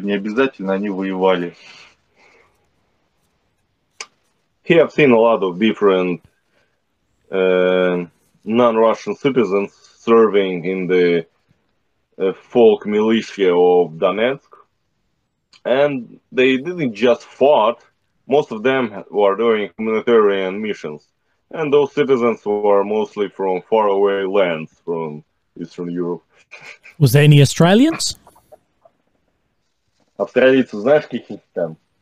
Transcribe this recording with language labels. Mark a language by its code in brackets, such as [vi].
[ru] Не обязательно они воевали. [en] He have seen a lot of different non-Russian citizens serving in the folk militia of Donetsk, and they didn't just fought, most of them were doing humanitarian missions, and those citizens were mostly from faraway lands from Eastern Europe. Was there any Australians? [ru] Австралийцы знаешь каких-то там?